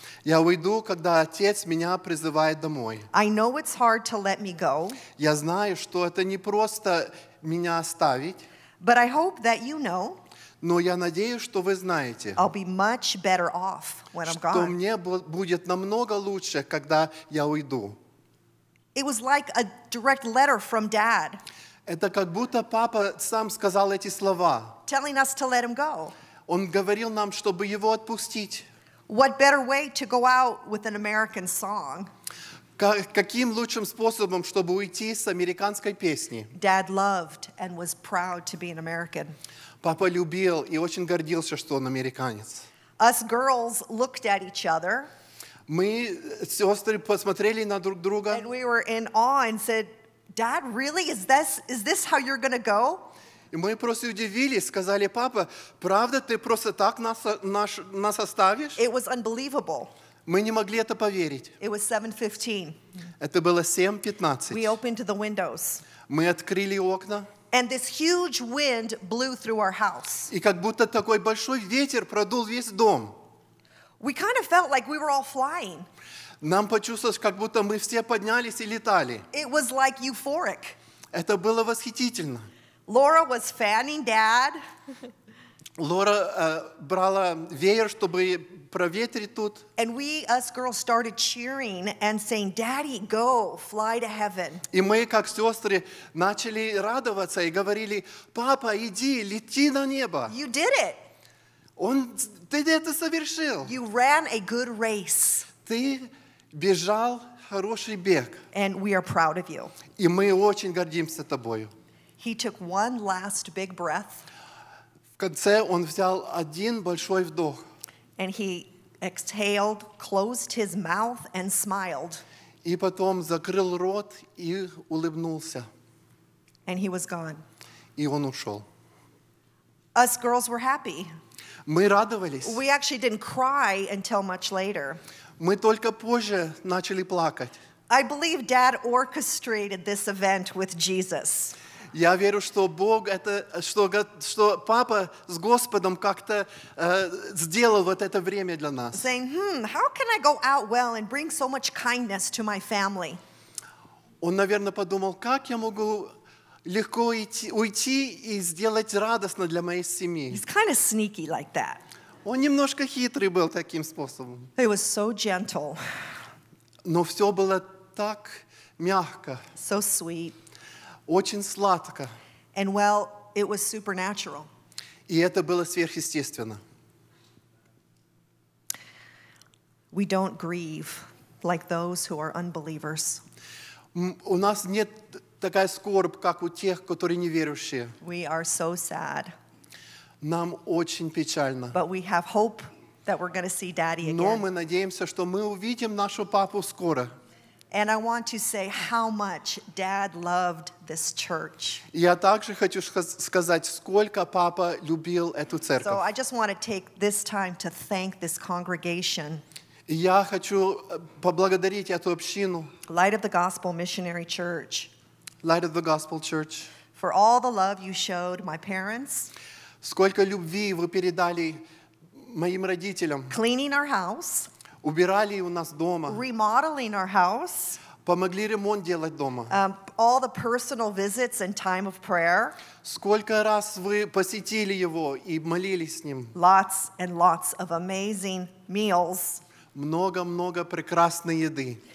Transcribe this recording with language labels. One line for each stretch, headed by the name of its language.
Russian: Я уйду, когда отец меня призывает домой.
English: I know it's hard to let me go.
Russian: Я знаю, что это не просто меня оставить.
English: But I hope that you know.
Russian: Но я надеюсь, что вы знаете,
English: I'll be much better off when I'm gone.
Russian: Что мне будет намного лучше, когда я уйду.
English: It was like a direct letter from Dad.
Russian: Это как будто папа сам сказал эти слова.
English: Telling us to let him go.
Russian: Он говорил нам, чтобы его отпустить.
English: What better way to go out with an American song?
Russian: Каким лучшим способом, чтобы уйти с американской песни?
English: Dad loved and was proud to be an American.
Russian: Папа любил и очень гордился, что он американец.
English: Us girls looked at each other.
Russian: Мы сестры посмотрели на друг друга.
English: And we were in awe and said, "Dad, really? Is this how you're going to go?"
Russian: И мы просто удивились, сказали: "Папа, правда ты просто так нас оставишь?"
English: It was unbelievable.
Russian: Мы не могли это поверить.
English: It was 7:15.
Russian: Это было 7:15.
English: We opened the windows.
Russian: Мы открыли окна.
English: And this huge wind blew through our house.
Russian: И как будто такой большой ветер продул весь дом.
English: We kind of felt like we were all flying.
Russian: Нам почувствовалось, как будто мы все поднялись и летали.
English: It was like euphoric.
Russian: Это было восхитительно.
English: Laura was fanning Dad.
Russian: Лора брала веер, чтобы проветрить тут.
English: And we, us girls, started cheering and saying, "Daddy, go, fly to heaven."
Russian: И мы, как сестры, начали радоваться и говорили: "Папа, иди, лети на небо."
English: You did it.
Russian: Ты это совершил.
English: You ran a good race.
Russian: Ты бежал хороший бег.
English: And we are proud of you.
Russian: И мы очень гордимся тобою.
English: He took one last big breath.
Russian: В конце он взял один большой вдох.
English: And he exhaled, closed his mouth, and smiled.
Russian: И потом закрыл рот и улыбнулся.
English: And he was gone.
Russian: И он ушел.
English: Us girls were happy.
Russian: Мы радовались.
English: We actually didn't cry until much later.
Russian: Мы только позже начали плакать.
English: I believe Dad orchestrated this event with Jesus.
Russian: Я верю, что Бог это, что, что папа с Господом как-то сделал вот это время для нас.
English: Saying, how can I go out well and bring so much kindness to my family?
Russian: Он, наверное, подумал, как я могу легко уйти и сделать радостно для моей семьи.
English: He's kind of sneaky like that.
Russian: Он немножко хитрый был таким способом.
English: He was so gentle.
Russian: Но все было так мягко.
English: So sweet.
Russian: Очень сладко.
English: And well, it was supernatural.
Russian: И это было сверхъестественно.
English: We don't grieve like those who are unbelievers.
Russian: У нас нет такая скорбь, как у тех, которые неверующие.
English: We are so sad.
Russian: Нам очень печально.
English: But we have hope that we're going to see Daddy again.
Russian: Но мы надеемся, что мы увидим нашего папу скоро.
English: And I want to say how much Dad loved this church.
Russian: Я также хочу сказать, сколько папа любил эту церковь.
English: So I just want to take this time to thank this congregation.
Russian: Я хочу поблагодарить эту общину.
English: Light of the Gospel Missionary Church. Light of the Gospel Church. For all the love you showed my parents.
Russian: Сколько любви вы передали моим родителям.
English: Cleaning our house.
Russian: Убирали у нас дома.
English: Remodeling our house.
Russian: Помогли ремонт делать дома.
English: All the personal visits and time of prayer.
Russian: Сколько раз вы посетили его и молились с ним.
English: Lots and lots of amazing meals.
Russian: Много-много прекрасной еды.